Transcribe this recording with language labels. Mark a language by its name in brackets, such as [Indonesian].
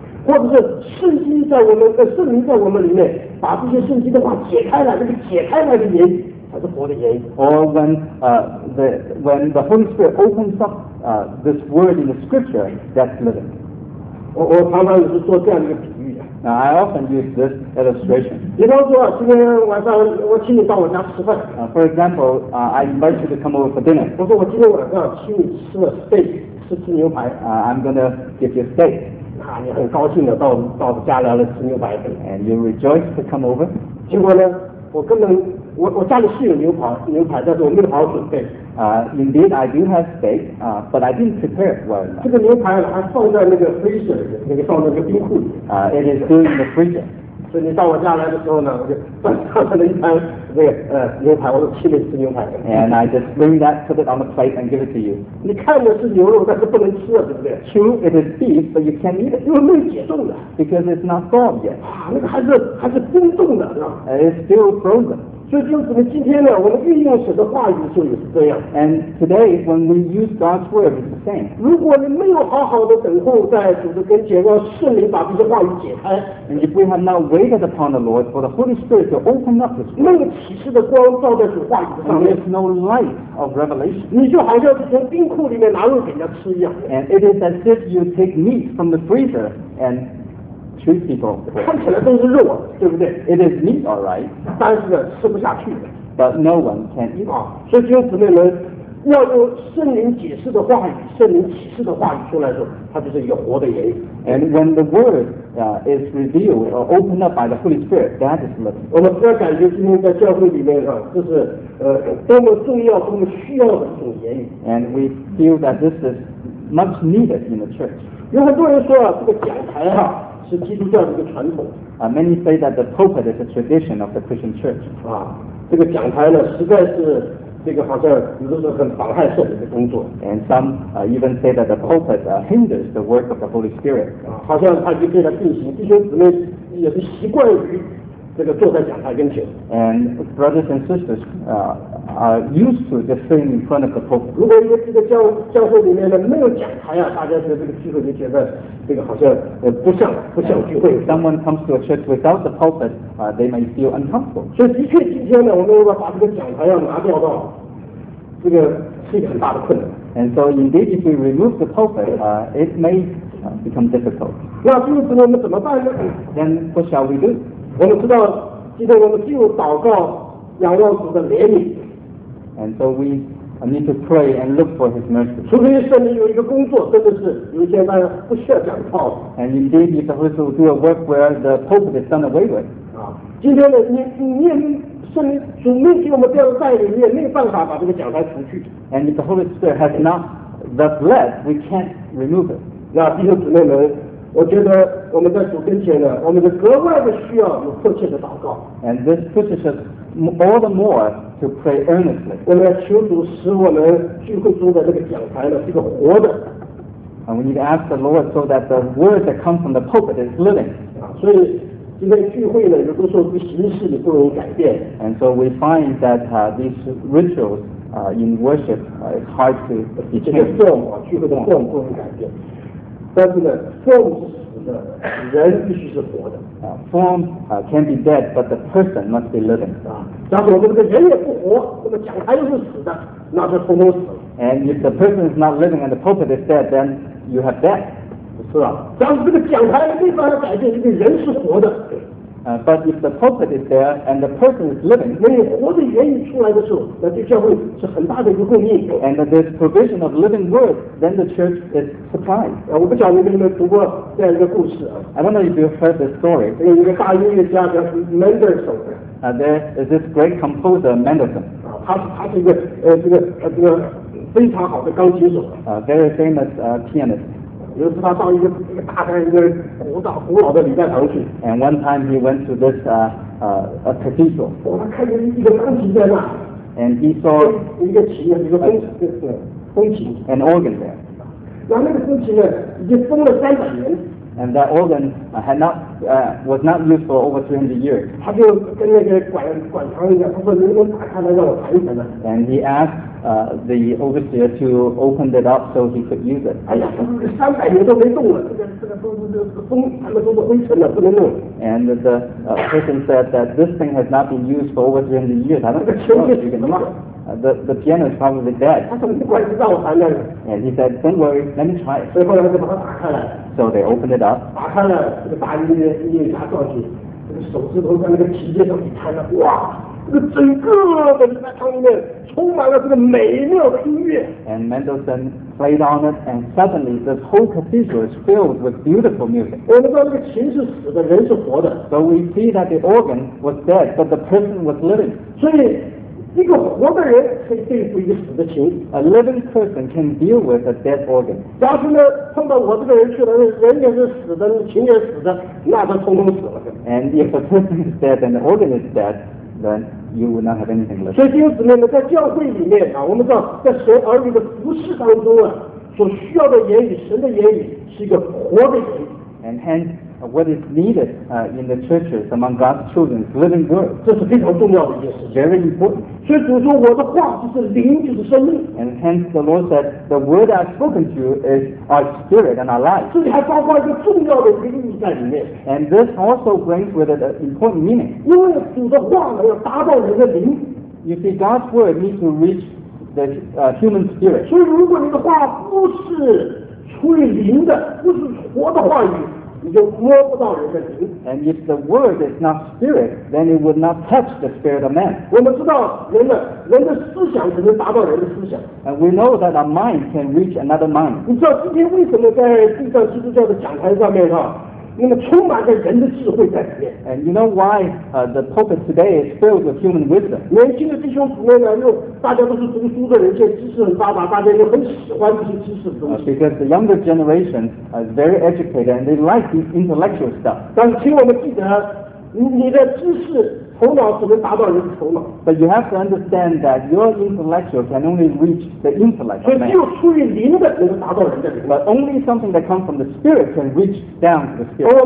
[Chinese] 或者是圣经在我们，圣灵在我们里面，把这些圣经的话解开了，这个解开来的言语才是活的言语。 [English] Or when the Holy Spirit opens up this word in the Scripture, that's living. [Chinese] 我常常也是做这样一个比喻的。 [English] Now, I often use this illustration. [Chinese] 比方说，今天晚上我请你到我家吃饭。 [English] For example, I invite you to come over for dinner. [Chinese] 我说我今天晚上请你吃了 steak, 吃吃牛排。 [English] I'm gonna give you steak. [Chinese] 你很高兴的到家来了吃牛排。 [English] And you rejoice to come over. [Chinese] 结果呢，我家里是有牛排，但是我没有好好准备。 [English] Indeed, I do have steak, but I didn't prepare it well. [Chinese] 这个牛排还放在那个 freezer 里，那个放在那个冰库里。 [English] It is still in the freezer. [Chinese] 所以你到我家来的时候呢，我就放了一盘牛排，我说请你吃牛排。 [English] And I just bring that, put it on the plate, and give it to you. [Chinese] 你看的是牛肉，但是不能吃了，对不对 [English] ？True, it is beef, but you can't eat it. [Chinese] 因为没解冻的。 [English] Because it's not thawed yet. [Chinese] 那个还是冰冻的，是吧 [English] ？It's still frozen. [Chinese] 所以就是今天呢，我们运用神的话语的时候也是这样。 [English] And today, when we use God's word, it's the same. [Chinese] 如果你没有好好的等候在主的跟前，让圣灵把这些话语解开 [English] ，And if we have not waited upon the Lord for the Holy Spirit to open up this, [Chinese] 没有启示的光照在主话语的上面 [English] ，There's no light of revelation. [Chinese] 你就好像是从冰库里面拿肉给人家吃一样。 [English] And it is as if you take meat from the freezer and People. [Chinese] 看起来都是肉啊，对不对 [English] ？It is meat, all right. [Chinese] 但是呢，吃不下去。 [English] But no one can eat. [Chinese] 所以弟兄姊妹们，要用圣灵解释的话语、圣灵启示的话语出来的时候，它就是一个活的言语。 [English] And when the word is revealed or opened up by the Holy Spirit, that is living. [Chinese] 我们不要感觉今天在教会里面啊，这是多么重要、多么需要的一种言语。 [English] And we feel that this is much needed in the church. [Chinese] 有很多人说啊，这个讲台啊。是基督教的一个传统。 [English] Many say that the pulpit is a tradition of the Christian Church. [Chinese] 啊，这个讲台呢，实在是这个好像有的时候很妨害圣灵的工作。 [English] And some even say that the pulpit hinders the work of the Holy Spirit. [Chinese] 啊，好像它就变得定型，弟兄姊妹也是习惯于这个坐在讲台跟前。 [English] And brothers and sisters are used to just sitting in front of the pulpit. [Chinese] 如果一个这个教会里面呢没有讲台啊，大家觉得这个机会就觉得。这个好像不像聚会。 [English] If someone comes to a church without the pulpit, they may feel uncomfortable. [Chinese] 所以的确，今天呢，我们要把这个讲台要拿掉的，这个是一个很大的困难。 [English] And so indeed, if we remove the pulpit, it may become difficult. [Chinese] 那这个时候我们怎么办呢 [English] ？Then what shall we do? [Chinese] 我们知道，今天我们就祷告仰望主的怜悯。 [English] And so we. I need to pray and look for His mercy. [Chinese] 除非圣灵有一个工作，真的是有一天大家不需要讲道。 [English] And indeed, if the Holy Spirit do a work where the pulpit is done away with. [Chinese] 今天呢，你也没圣灵主没给我们这样的带领，你也没有办法把这个讲台除去。 [English] And if the Holy Spirit has not the blood, we can't remove it. [Chinese] 那弟兄姊妹们，我觉得我们在主跟前呢，我们是格外的需要有迫切的祷告。 [English] And this pushes us all the more. To pray earnestly. [Chinese] 我们求主使我们聚会中的这个讲台呢是个活的。 [English] And we need to ask the Lord so that the word that comes from the pulpit is living. [Chinese] 所以今天聚会呢，有的时候对形式也不容易改变。 [English] And so we find that these rituals in worship is hard to change. [Chinese] 这个 form 聚会的 form 不容易改变。但是呢 ，form 是死的，人必须是活的。 [English] Form can be dead, but the person must be living. [Chinese] 假如我们这个人也不活，那么讲台又是死的，那就通通死了。 [English] And if the person is not living and the pulpit is dead, then you have death. [Chinese] 是啊，假如这个讲台没法改变，这个人是活的。 [English] But if the pulpit is there and the person is living, [Chinese] 那你活的言语出来的时候，那对教会是很大的一个供应。 [English] And this provision of living word, then the church is supplied. [Chinese] 我不晓得你们读过这样一个故事啊。 [English] I don't know if you've heard this story. [Chinese] 有一个大音乐家叫 Mendelssohn。 [English] There is this great composer Mendelssohn. [Chinese] 他是一个这个非常好的钢琴手。 [English] A very famous pianist. [Chinese] 有时他到一个大概一个古老古老的礼拜堂去。 [English] And one time he went to this a cathedral. [Chinese] 他看见一个钢琴在那。 [English] And he saw [Chinese] 一个琴啊，一个风琴。 [English] An organ there. [Chinese] 然后那个风琴呢，已经封了300年。 [English] And that organ had not was not used for over 300 years. [Chinese] 他就跟那个管堂的，他说能不能打开来让我弹一弹呢 [English] ？And he asked the overseer to open it up so he could use it. [Chinese] 哎呀，300年都没动了，这个风，他们都是灰尘了，不能弄。 [English] And the person said that this thing has not been used for over 300 years. [Chinese] 那个琴是什么？ [English] The piano is probably dead. [Chinese] 他说没关系，让我弹呢。 [English] And he said, "Don't worry, let me try." [Chinese] 所以后来他就把它打开了。 [English] So they opened it up. [Chinese] 打开了，这个大音乐家上去，这个手指头在那个琴键上一弹了，哇！这个整个的礼拜堂里面充满了这个美妙的音乐。 [English] And Mendelssohn played on it, and suddenly the whole cathedral is filled with beautiful music. [Chinese] 我们知道这个琴是死的，人是活的。 [English] So we see that the organ was dead, but the person was living. [Chinese] 所以一个活的人可以对付一个死的琴。 [English] A living person can deal with a dead organ. [Chinese] 要是呢碰到我这个人去了，人也是死的，琴也死的，那他通通死了。 [English] And if a person is dead and the organ is dead, then you will not have anything left. [Chinese] 所以弟兄姊妹们，在教会里面啊，我们知道在神儿女的服事当中啊，所需要的言语，神的言语是一个活的言语。 [English] And hence, what is needed in the churches among God's children is living word. [Chinese] 这是非常重要的一件事。 [English] Very important. [Chinese] 所以主说我的话就是灵，就是生命。 [English] And hence the Lord said, the word I've spoken to you is our spirit and our life. [Chinese] 这里还包括一个重要的一个意义在里面。 [English] And this also brings with it an important meaning. [Chinese] 因为主的话呢要达到人的灵。 [English] You see, God's word needs to reach the human spirit. [Chinese] 所以如果你的话不是出于灵的，不是活的话语，你就摸不到人的灵。 [English] And if the word is not spirit, then it would not touch the spirit of man. [Chinese] 我们知道人的思想只能达到人的思想。 [English] And we know that our mind can reach another mind. [Chinese] 你知道今天为什么在地上基督教的讲台上面上，那么充满着人的智慧在里面。 [English] And you know why the pulpit today is filled with human wisdom? [Chinese] 年轻的弟兄姊妹呢，又大家都是读书的人，现在知识很发达，大家又很喜欢这些知识的东西。 [English] Because the younger generation is very educated and they like these intellectual stuff. [Chinese] 但请我们记得，你的知识头脑只能达到人的头脑。 [English] But you have to understand that your intellectual can only reach the intellect of man. [Chinese] 所以只有出于灵的能达到人的灵。 [English] But only something that comes from the spirit can reach down to the spirit.